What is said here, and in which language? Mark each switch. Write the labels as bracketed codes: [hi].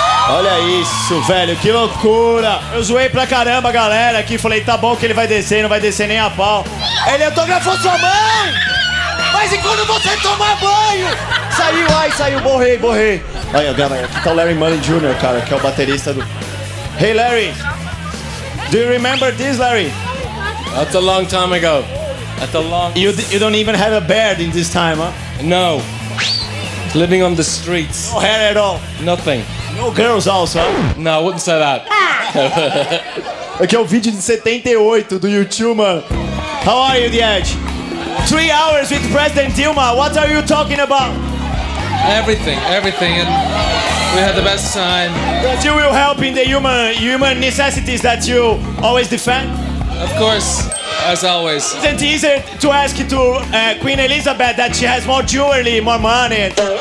[pt] Olha isso, velho, que loucura. Eu zoei pra caramba, galera, aqui. Falei, tá bom que ele vai descer, não vai descer nem a pau. Ele autografou sua mãe. Mas enquanto você tomar banho. Saiu, ai, saiu, borrei. Aí, galera, aqui tá o Larry Mullen Jr., cara, que é o baterista do... [en] Hey, Larry. Do you remember this, Larry? That's a long time ago. That's a long... You don't even have a bed in this time, huh? No. Living on the streets. No hair at all. Nothing. No girls also. No, I wouldn't say that. [pt] Aqui é o vídeo de 78 do YouTube, mano. [en] How are you, The Edge? 3 hours with President Dilma. What are you talking about? Everything. And we had the best time. That you will help in the human necessities that you always defend? Of course, as always. Isn't it easier to ask to Queen Elizabeth that she has more jewelry, more money?